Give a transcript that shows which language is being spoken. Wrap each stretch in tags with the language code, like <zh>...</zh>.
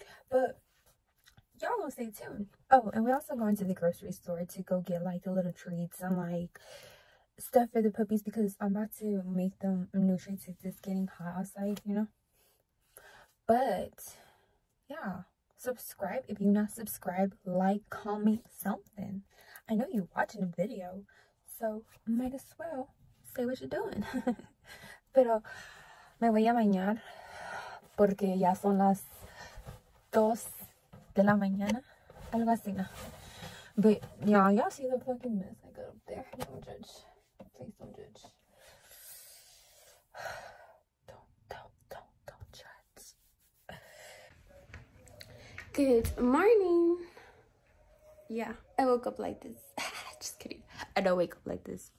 <en>But, y'all will stay tuned. Oh, and we're also going to the grocery store to go get, like, the little treats and, like, stuff for the puppies, because I'm about to make them nutrients if it's getting hot outside, you know. But yeah, subscribe if you're not subscribed, like, comment something. I know you're watching the video, so might as well say what you're doing.</en> <es>Pero me voy a bañar porque ya son las dos de la mañana, algo así.</es> <en>But yeah, y'all see the fucking mess I got up there. Don't judge. Don't judge. Good morning. Yeah, I woke up like this. Just kidding. I don't wake up like this.</en>